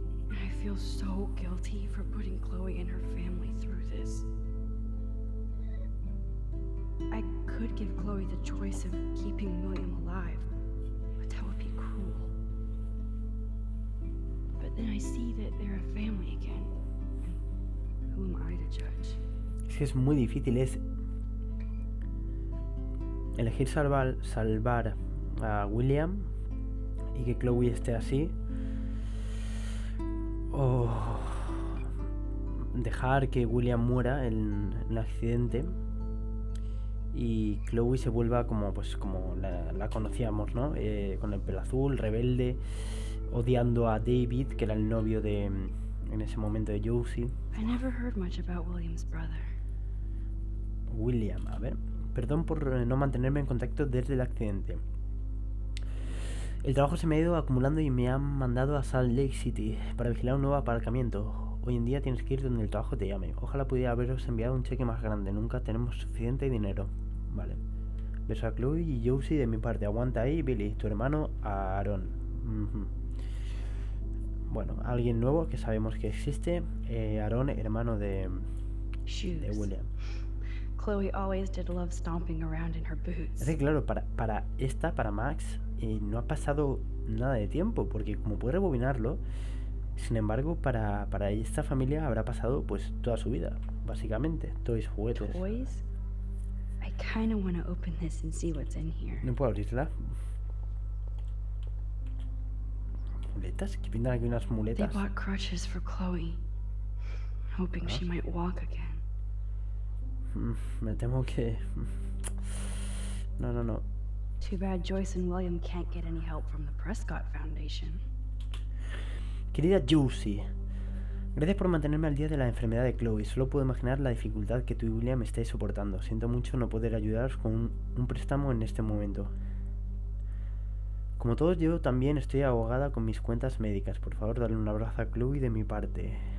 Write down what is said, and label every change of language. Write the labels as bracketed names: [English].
[English] I feel so guilty for putting Chloe and her family through this. I could give Chloe the choice of keeping William alive, but that would be cruel. But then I see that they're a family again. And who am I to judge? [Spanish] Es muy difícil, es elegir salvar a William y que Chloe esté así, o dejar que William muera en el accidente y Chloe se vuelva como, pues, como la conocíamos, ¿no? Con el pelo azul, rebelde, odiando a David, que era el novio de, en ese momento, de Josie. [English] I never heard much about William's brother. [Spanish] William, a ver. Perdón por no mantenerme en contacto desde el accidente. El trabajo se me ha ido acumulando y me han mandado a Salt Lake City para vigilar un nuevo aparcamiento. Hoy en día tienes que ir donde el trabajo te llame. Ojalá pudiera haberos enviado un cheque más grande. Nunca tenemos suficiente dinero. Vale. Beso a Chloe y Josie de mi parte. Aguanta ahí, Billy. Tu hermano, Aaron. Bueno, alguien nuevo que sabemos que existe. Aaron, hermano de William. [English] Chloe always did love stomping around in her boots. [Spanish] Es que claro, para Max, no ha pasado nada de tiempo, porque como puede rebobinarlo, sin embargo, para esta familia habrá pasado pues toda su vida, básicamente, toys, juguetes. [English] Toys? I kind of want to open this and see what's in here. [Spanish] ¿No puedo abrirla? ¿Muletas? ¿Qué pintan aquí unas muletas? [English] They bought crutches for Chloe, hoping she might walk again. [Spanish] Me temo que no. [English] Too bad Joyce and William can't get any help from the Prescott Foundation. [Spanish] Querida Josie, gracias por mantenerme al día de la enfermedad de Chloe. Solo puedo imaginar la dificultad que tú y William estáis soportando. Siento mucho no poder ayudaros con un préstamo en este momento. Como todos, yo también estoy ahogada con mis cuentas médicas. Por favor, dale un abrazo a Chloe de mi parte.